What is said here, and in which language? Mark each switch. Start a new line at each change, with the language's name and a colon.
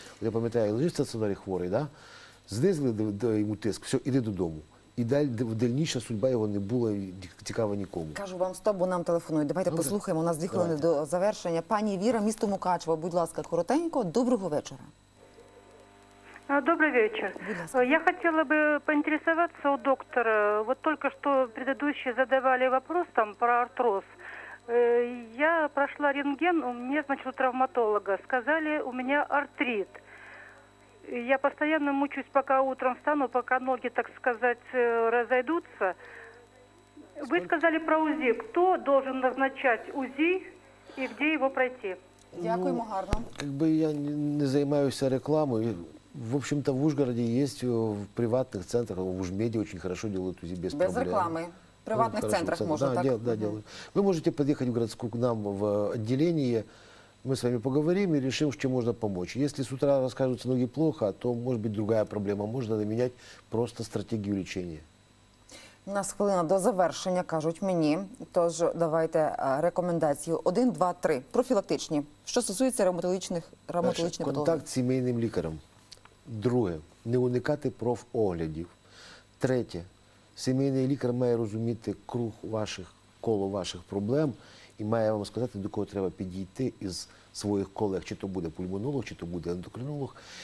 Ukrainian: От я пам'ятаю, лежить в стаціонарі хворий, да? Знизили йому тиск, все, іди додому. І дальніша судьба його не була цікава нікому. Кажу вам стоп, бо нам телефонують. Давайте послухаємо, у нас 2 хвилини до завершення. Пані Віра, місто Мукачево, будь ласка, коротенько, доброго вечора.
Russian: Добрый вечер. Я хотела бы поинтересоваться у доктора. Вот только что предыдущие задавали вопрос там про артроз. Я прошла рентген, у меня, значит, у травматолога. Сказали, у меня артрит. Я постоянно мучаюсь, пока утром встану, пока ноги, так сказать, разойдутся. Вы сказали про УЗИ. Кто должен назначать УЗИ и где его пройти?
Ukrainian: Дякуємо, гарно.
Russian: Как бы я не занимаюсь рекламой. В общем-то, в Ужгороде есть в приватных центрах, в Ужмеде очень хорошо делают УЗИ без проблем. Без рекламы. В приватных центрах можно, так? Да, делают. Вы можете подъехать в городскую к нам в отделение, мы с вами поговорим и решим, чем можно помочь. Если с утра расскажутся ноги плохо, то может быть другая проблема. Можно менять просто стратегию лечения.
Ukrainian: У нас хвилина до завершення, кажуть мені. Тож, давайте рекомендацію. 1, 2, 3. Профілактичні. Що стосується ревматологічних патологій? Контакт з сімейним лікарем. Друге, не уникати профоглядів. Третє, сімейний лікар має розуміти круг ваших, коло ваших проблем і має вам сказати, до кого треба підійти із своїх колег, чи то буде пульмонолог, чи то буде ендокринолог.